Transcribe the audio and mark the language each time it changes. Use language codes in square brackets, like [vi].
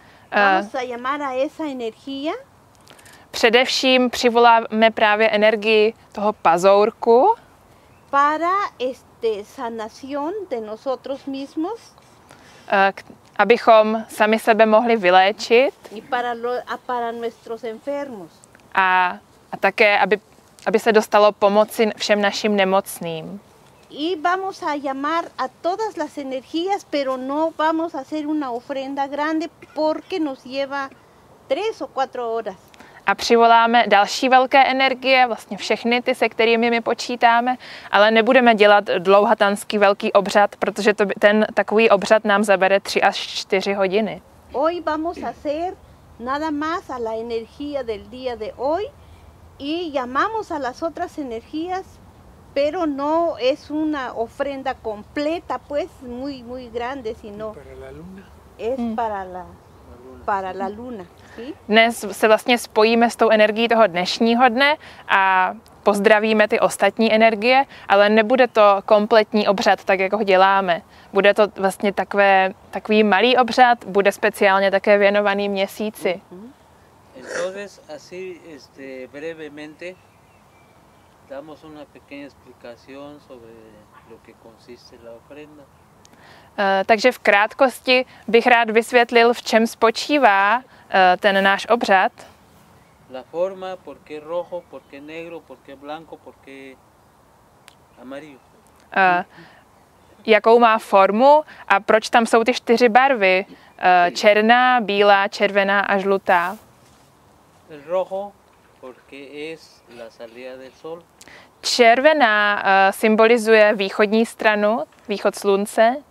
[es] Vamos a llamar a esa energía. [cs] Především přivoláme právě energii toho pazourku. [es] Para este sanación de nosotros mismos. [cs] Abychom sami sebe mohli vyléčit. [es] Y para lo, a para nuestros enfermos. [cs] A také, aby se dostalo pomoci všem našim nemocným. [es] Y vamos a llamar a todas las energías, pero no vamos a hacer una ofrenda grande porque nos lleva 3 o 4 horas. [cs] A přivoláme další velké energie, vlastně všechny ty, se kterými my počítáme, ale nebudeme dělat dlouhatanský velký obřad, protože to, ten takový obřad nám zabere 3 až 4 hodiny. [es] Hoy vamos a hacer nada más a la energía del día de hoy y llamamos a las otras energías, pero no es una ofrenda completa, pues muy muy grande, sino para la luna. Es para la luna. [cs] Dnes se vlastně spojíme s tou energií toho dnešního dne a pozdravíme ty ostatní energie, ale nebude to kompletní obřad, tak jak ho děláme. Bude to vlastně takový malý obřad, bude speciálně také věnovaný měsíci. [es] Entonces así brevemente damos una pequeña explicación sobre lo que consiste la ofrenda. [cs] Takže v krátkosti bych rád vysvětlil, v čem spočívá ten náš obřad. [es] La forma, por qué rojo, por qué negro, por qué blanco, por qué amarillo. [cs] Jakou má formu a proč tam jsou ty čtyři barvy? Černá, bílá, červená a žlutá. [es] El rojo, porque es la salida del sol. [cs] Červená symbolizuje východní stranu, východ slunce.